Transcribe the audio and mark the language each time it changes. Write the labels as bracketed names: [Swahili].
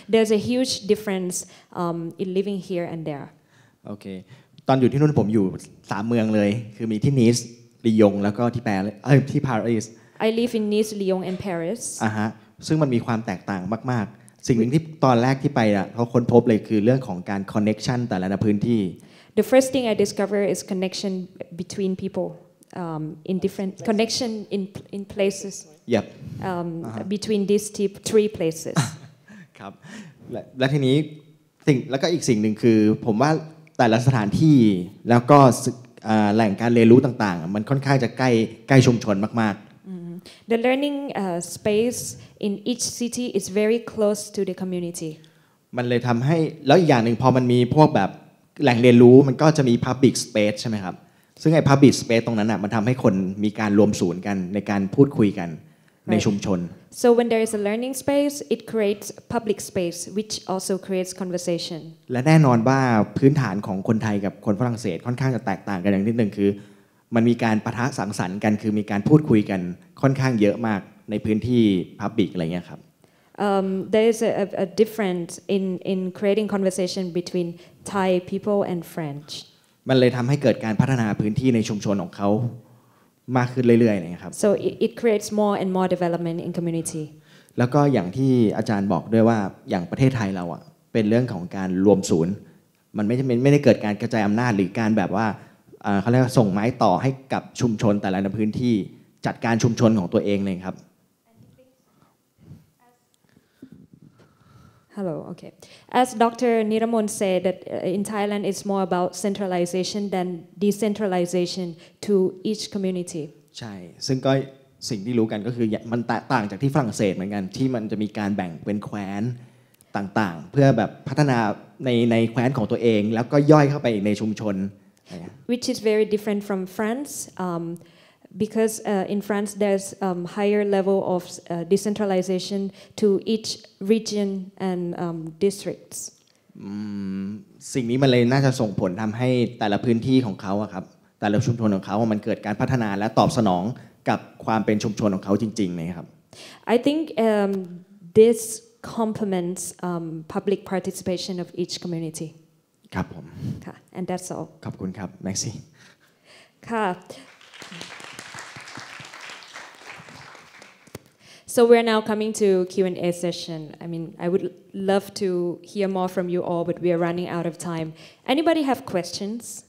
[English] There's a huge difference in living here and there. Okay. [Thai] ตอนอยู่ที่นู่นผมอยู่3เมืองเลยคือมีที่นีสลียงแล้วก็ที่แปรเอ้ยที่ปารีส [English] I live in Nice, Lyon and Paris. [Thai] อ่ะฮะซึ่งมันมีความแตกต่างมากๆสิ่งหนึ่งที่ตอนแรกที่ไปอ่ะเขาค้นพบเลยคือเรื่องของการ connection แต่ละพื้นที่ [English] The first thing I discover is connection between people in different connection in places yep between these three places [Thai] ครับและทีนี้สิ่งแล้วก็อีกสิ่งหนึ่งคือผมว่าแต่ละสถานที่แล้วก็แหล่งการเรียนรู้ต่างๆมันค่อนข้างจะใกล้ชุมชนมากๆ [English] The learning space in each city is very close to the community. [Thai] มันเลยทำให้แล้วอีกอย่างหนึ่งพอมันมีพวกแบบแหล่งเรียนรู้มันก็จะมี public space ใช่ไหมครับซึ่งไอ้ public space ตรงนั้นอ่ะมันทำให้คนมีการรวมศูนย์กันในการพูดคุยกัน right. ในชุมชน [English] So when there is a learning space, it creates public space, which also creates conversation. [Thai] และแน่นอนว่าพื้นฐานของคนไทยกับคนฝรั่งเศสค่อนข้างจะแตกต่างกันอย่างนิดนึงคือมันมีการปะทะสังสรรค์กันคือมีการพูดคุยกันค่อนข้างเยอะมากในพื้นที่พับบิกอะไรเงี้ยครับ [English] There is a difference in creating conversation between Thai people and French [Thai] มันเลยทำให้เกิดการพัฒนาพื้นที่ในชุมชนของเขามากขึ้นเรื่อยๆอะไรเงี้ยครับ [English] So it creates more and more development in community [Thai] แล้วก็อย่างที่อาจารย์บอกด้วยว่าอย่างประเทศไทยเราอ่ะเป็นเรื่องของการรวมศูนย์มันไม่ได้เกิดการกระจายอำนาจหรือการแบบว่าเขาเรียกส่งไม้ต่อให้กับชุมชนแต่ละพื้นที่จัดการชุมชนของตัวเองเลยครับ [English] Hello, okay. As Dr. Niramon said that in Thailand it's more about centralization than decentralization to each community. [Thai] ใช่ซึ่งก็สิ่งที่รู้กันก็คือมันแตกต่างจากที่ฝรั่งเศสเหมือนกันที่มันจะมีการแบ่งเป็นแคว้นต่างๆเพื่อแบบพัฒนาในแคว้นของตัวเองแล้วก็ย่อยเข้าไปในชุมชน [English] Which is very different from France, because in France there's higher level of decentralization to each region and districts. [Thai] สิ่งนี้มันเลยน่าจะส่งผลทำให้แต่ละพื้นที่ของเขาครับแต่ละชุมชนของเขามันเกิดการพัฒนาและตอบสนองกับความเป็นชุมชนของเขาจริงๆนะครับ [English] I think this complements public participation of each community. [Thai] ครับผม [English] ค่ะ and that's all [Thai] ขอบคุณครับแม็กซี่ค่ะ [English] so we're now coming to Q&A session I mean I would love to hear more from you all but we are running out of time anybody have questions